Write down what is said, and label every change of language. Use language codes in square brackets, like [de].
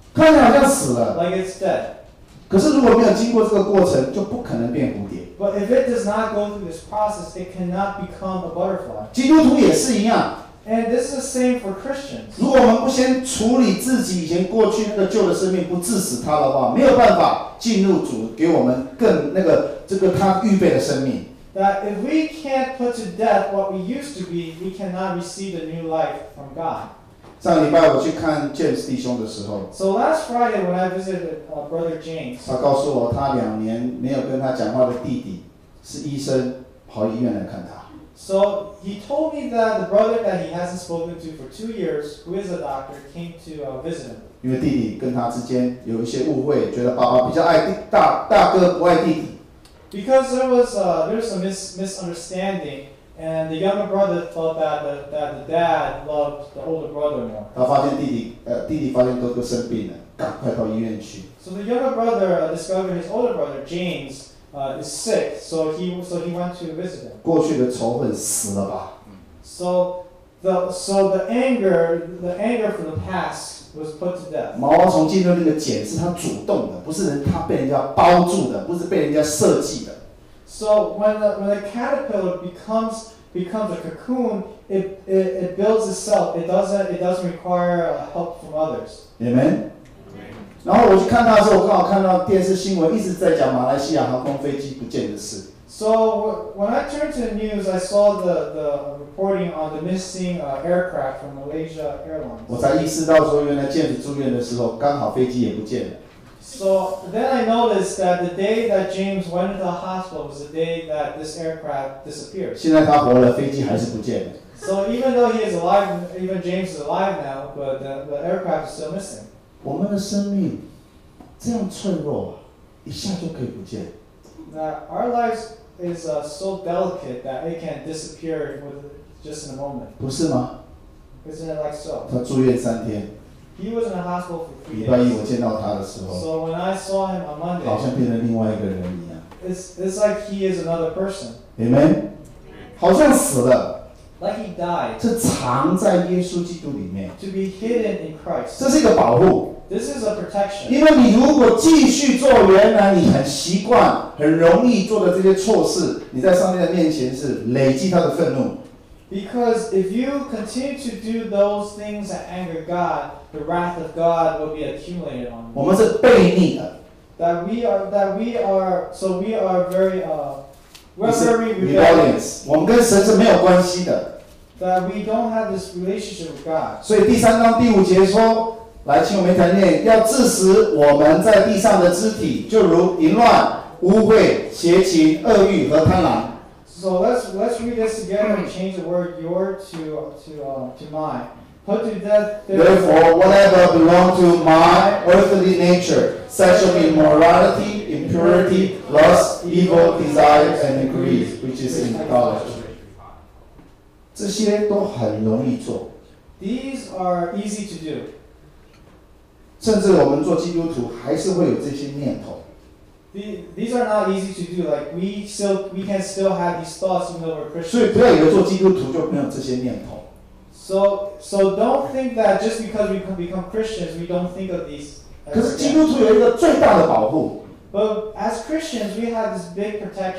[zh] 看起来好像死了。 [en] Like it's dead. [zh] 可是如果没有经过这个过程，就不可能变蝴蝶。 [en] But if it does not go through this process, it cannot become a butterfly. [zh] 基督徒也是一样。 [en] And this is the same for Christians. [zh] 如果我们不先处理自己以前过去那个旧的生命，不致死它的话，没有办法进入主给我们更那个这个他预备的生命。 [en] That if we can't put to death what we used to be, we cannot receive a new life from God. [zh] 上礼拜我去看 James 弟兄的时候 [en] ，So last Friday when I visited Brother James, [zh] 他告诉我他两年没有跟他讲话的弟弟是医生，跑医院来看他。 [en] So he told me that the brother that he hasn't spoken to for 2 years, who is a doctor, came to visit him. [zh] 因为弟弟跟他之间有一些误会，觉得爸爸比较爱弟大大哥不爱弟弟。 [en] Because there was a misunderstanding, and the younger brother thought that the dad loved the older brother more. [zh] 他发现弟弟发现哥哥生病了，赶快到医院去。 [en] So the younger brother discovered his older brother James. Is sick, so he went to visit him. [zh] 过去的仇恨死了吧。 [en] So the anger from the past was put to death. [zh] 毛毛虫进入那个茧是他主动的，不是人他被人家包住的，不是被人家设计的。 [en] So when a caterpillar becomes a cocoon, it builds itself. It doesn't require help from others. Amen. [zh] 然后我去看他的时候，我刚好看到电视新闻一直在讲马来西亚航空飞机不见的事。 [en] So when I turned to the news, I saw the reporting on the missing aircraft from Malaysia Airlines. [zh] 我才意识到说，原来James住院的时候，刚好飞机也不见了。 [en] So then I noticed that the day that James went to the hospital was the day that this aircraft disappeared. [zh] 现在他活了，飞机还是不见了。 [en] So even though he is alive, even James is alive now, but the aircraft is still missing. [zh] 我们的生命这样脆弱，一下就可以不见。 [en] That our lives is so delicate that it can disappear with just in a moment. [zh] 不是吗 [en] ？Isn't it like so? [zh] 他住院三天。 [en] He was in the hospital for 3 days. [zh] 礼拜一我见到他的时候。 [en] So when I saw him on Monday. [zh] 好像变成另外一个人一样。 [en] It's like he is another person. [zh] Amen. 好像死了。 [en] like he died, [zh] 是藏在耶稣基督里面 [en] to be hidden in Christ. [zh] 这是一个保护。 [en] This is a protection. [zh] 因为你如果继续做原来你很习惯、很容易做的这些错事，你在上帝的面前是累积他的愤怒。 [en] Because if you continue to do those things that anger God, the wrath of God will be accumulated on you. [zh] 我们是背逆的。 [en] That we are very rebellious. [zh] 我们跟神是没有关系的。 [en] That we don't have this relationship with God. [zh] 所以第三章第五节说。来，请我们一起念：要致使我们在地上的肢体，就如淫乱、污秽、邪情、恶欲和贪婪。 [en] So let's read this together and change the word your to mine. Put to death. Therefore, whatever belongs to my earthly nature, sexual immorality, impurity, lust, evil desire, and greed, which is idolatry. [zh] 这些都很容易做。 [en] These are easy to do. [zh] 甚至我们做基督徒还是会有这些念头。 [en] These are not easy to do. Like we can still have these thoughts even though we're Christians. [zh] 所以不要以为做基督徒就没有这些念头。 [en] So don't think that just because we become Christians, we don't think of these. [zh] 可是基督徒有一个最大的保护。 [en] But as Christians, we have this big protection.